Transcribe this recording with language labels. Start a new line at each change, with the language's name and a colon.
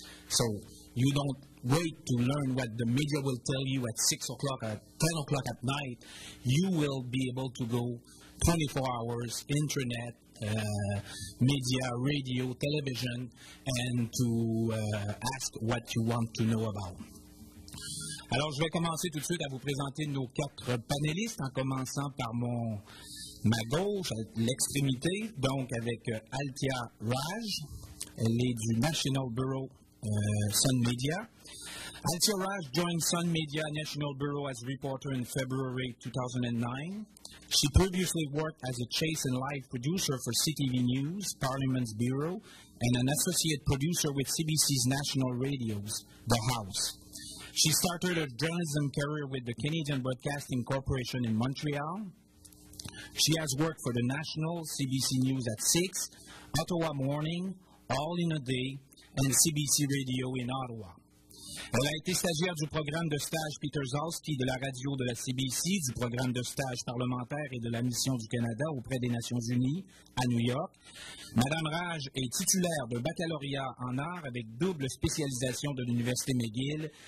English: So you don't wait to learn what the media will tell you at 6 o'clock, at 10 o'clock at night. You will be able to go 24 hours, internet, media, radio, television, and to ask what you want to know about.
French: Alors, je vais commencer tout de suite à vous présenter nos quatre panélistes, en commençant par ma gauche, l'extrémité, donc avec Althea Raj. Elle est du National Bureau Sun Media.
English: Althea Raj joined Sun Media National Bureau as reporter in February 2009. She previously worked as a chase and live producer for CTV News, Parliament's Bureau, and an associate producer with CBC's national radios, The House. She started a journalism career with the Canadian Broadcasting Corporation in Montreal. She has worked for the National, CBC News at 6, Ottawa Morning, All in a Day, and CBC Radio in Ottawa.
French: Elle a été stagiaire du programme de stage Peter Zalski de la radio de la CBC, du programme de stage parlementaire et de la mission du Canada auprès des Nations Unies à New York. Madame Raj est titulaire d'un baccalauréat en art avec double spécialisation de l'Université McGill.